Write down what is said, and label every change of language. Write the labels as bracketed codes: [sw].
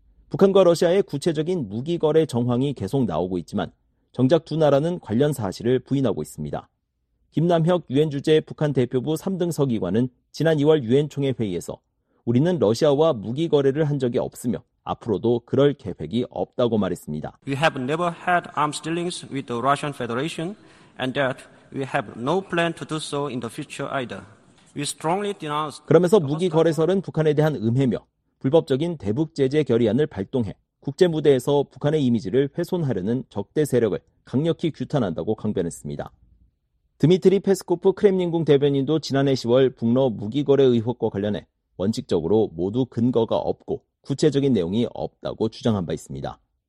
[ko] 북한과 러시아의 구체적인 무기 거래 정황이 계속 나오고 있지만 정작 두 나라는 관련 사실을 부인하고 있습니다. 김남혁 유엔 주재 북한 대표부 3등 서기관은 지난 2월 유엔 총회 회의에서 우리는 러시아와 무기 거래를 한 적이 없으며 앞으로도 그럴 계획이 없다고 말했습니다. [en] We have never had arms dealings with the Russian Federation and that we have no plan to do so in the future either. We strongly denounce [ko] 그러면서 무기 거래설은 북한에 대한 음해며 불법적인 대북 제재 결의안을 발동해 국제 무대에서 북한의 이미지를 훼손하려는 적대 세력을 강력히 규탄한다고 강변했습니다. 드미트리 페스코프 크렘린궁 대변인도 지난해 10월 북러 무기 거래 의혹과 관련해 원칙적으로 모두 근거가 없고 구체적인 내용이 없다고 주장한 바 있습니다.